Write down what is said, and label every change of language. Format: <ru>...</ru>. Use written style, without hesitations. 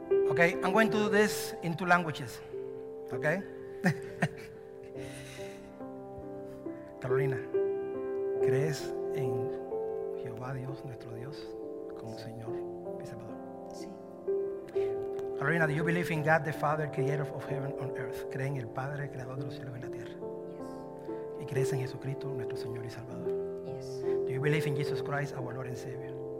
<en>Okay, I'm going to do this in two languages. Okay?</en> <es>Carolina, ¿crees en Jehová Dios, nuestro Dios, como Señor y Salvador? Sí.</es> <en>Carolina, do you believe in God, the Father, creator of heaven on earth?</en> <es>¿Crees en el Padre, creador de los cielos y la tierra?</es> <en>Yes.</en> <es>¿Y crees en Jesucristo, nuestro Señor y Salvador?</es> <en>Yes. Do you believe in Jesus Christ, our Lord and Savior?</en>